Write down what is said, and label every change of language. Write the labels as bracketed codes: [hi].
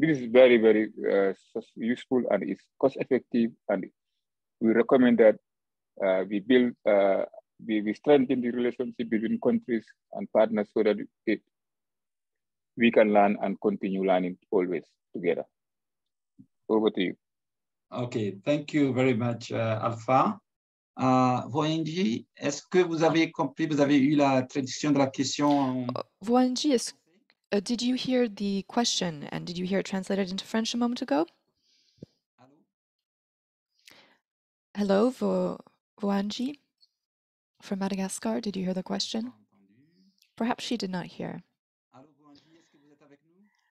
[en] This is very, very useful and is cost effective. And we recommend that we build, we strengthen the relationship between countries and partners so that we can learn and continue learning always together. Over to you. Okay, thank you very much, Alpha. [fr] Voahangy, est-ce que vous avez compris, vous avez eu la traduction de la question? [en] Voahangy, did you hear the question and did you hear it translated into French a moment ago? Hello, hello, Voahangy from Madagascar, did you hear the question? Perhaps she did not hear. Hello, [fr] Voahangy, est-ce que vous êtes avec nous?